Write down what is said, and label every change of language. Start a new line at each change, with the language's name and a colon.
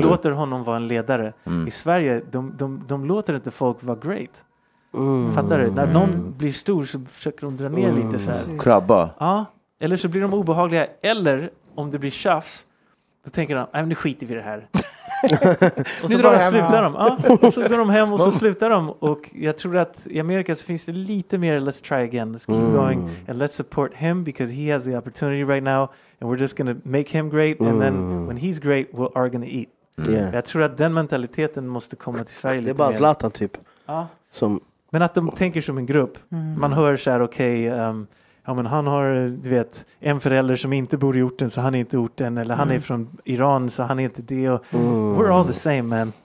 Swedish: de låter honom vara en ledare. I Sverige, de låter inte folk vara great. Fattar du? När någon blir stor så försöker de dra ner lite så här. Krabba. Ja, eller så blir de obehagliga. Eller om det blir tjafs, då tänker de, nej men nu skiter vi i det här. Och så bara slutar de. Ja, och så går de hem och så slutar de. Och jag tror att i Amerika så finns det lite mer
English: let's try again, let's keep going and let's support him because he has the opportunity right now and we're just gonna make him great and then when he's great we are gonna eat.
Swedish: Jag tror att den mentaliteten måste komma till Sverige lite mer. Det är bara Zlatan typ. Ja. Som... Men att de tänker som en grupp. Man hör så här, okej, ja, men han har, du vet, en förälder som inte bor i orten, så han är inte orten. Eller han är från Iran, så han är inte det.
English: Och, we're all the same, man.